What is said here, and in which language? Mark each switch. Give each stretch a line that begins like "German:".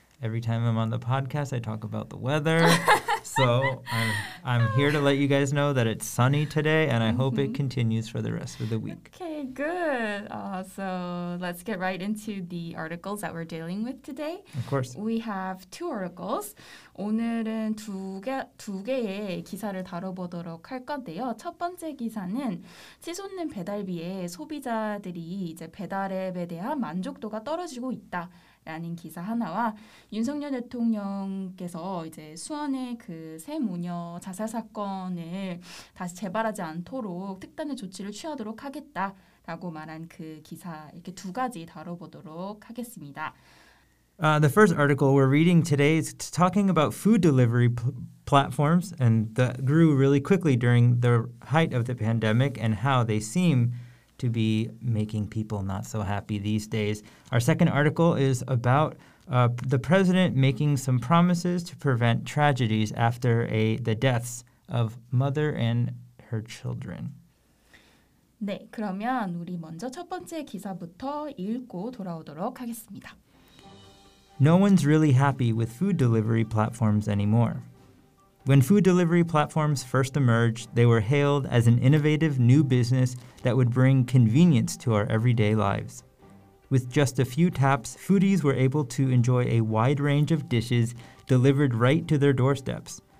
English: Every time I'm on the podcast, I talk about the weather. So I'm here to let you guys know that it's sunny today, and I hope it continues for the rest of the week. Okay, good. So let's get right into the articles that we're dealing with today. Of course. We have two articles.
Korean: 오늘은 두 개의 기사를 다뤄보도록 할 건데요. 첫 번째 기사는 치솟는 배달비에 소비자들이 이제 배달앱에 대한 만족도가 떨어지고 있다. 라는 기사 하나와 윤석열 대통령께서 이제 수원의 그 세모녀 자살 사건을 다시 재발하지 않도록 특단의 조치를 취하도록 하겠다라고 말한 그 기사 이렇게 두 가지 다뤄보도록 하겠습니다.
English: The first article we're reading today is talking about food delivery platforms and that grew really quickly during the height of the pandemic and how they seem to be making people not so happy these days. Our second article is about the president making some promises to prevent tragedies after the deaths of mother and her children.
Korean: 네, 그러면 우리 먼저 첫 번째 기사부터 읽고 돌아오도록 하겠습니다.
English: No one's really happy with food delivery platforms anymore. When food delivery platforms first emerged, they were hailed as an innovative new business that would bring convenience to our everyday lives. With just a few taps, foodies were able to enjoy a wide range of dishes delivered right to their doorsteps.